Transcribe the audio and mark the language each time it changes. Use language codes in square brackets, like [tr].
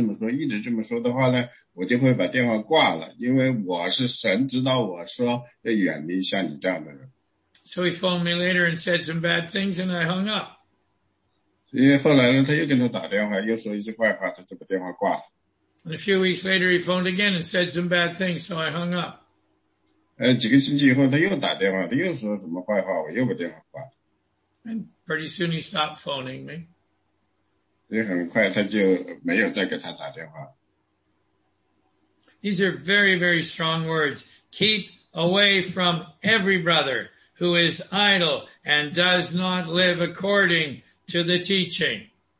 [zh] 但是呢,就跟那个人说呢,我警告你,如果你一直这么说,一直这么说的话呢,我就会把电话挂了,因为我是神,知道我说要远离像你这样的人。 [en] So he phoned me later and said some bad things and I hung up. [zh] 所以后来呢,他又跟他打电话,又说一些坏话,他这个电话挂了。 [en] And a few weeks later he phoned again and said some bad things, so I hung up. [zh] 几个星期以后,他又打电话,他又说什么坏话,我又把电话挂了。 [en] And pretty soon he stopped phoning me. [zh] 也很快他就没有再给他打电话。 [en] These are very, very strong words. Keep away from every brother who is idle and does not live according to the teaching.